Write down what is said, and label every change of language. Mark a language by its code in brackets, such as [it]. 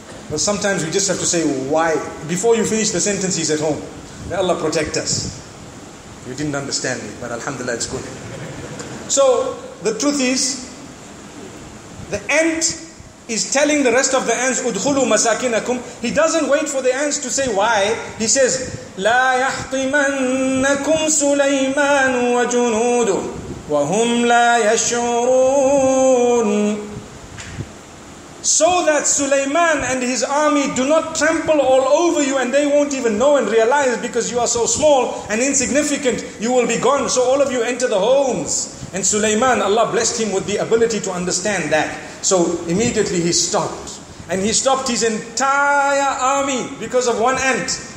[en] But sometimes we just have to say, why? Before you finish the sentence, he's at home. May Allah protect us. You didn't understand me, but alhamdulillah, it's good. So, the truth is, the ant is telling the rest of the ants, [ar] udkhulu masakinakum. [en] He doesn't wait for the ants to say why. [ar] He says, لا يحطمنكم سليمان وجنوده وهم لا يشعرون. [en] So that Sulaiman and his army do not trample all over you and they won't even know and realize because you are so small and insignificant, you will be gone. So all of you enter the homes. And Sulaiman, Allah blessed him with the ability to understand that. So immediately he stopped. And he stopped his entire army because of one ant.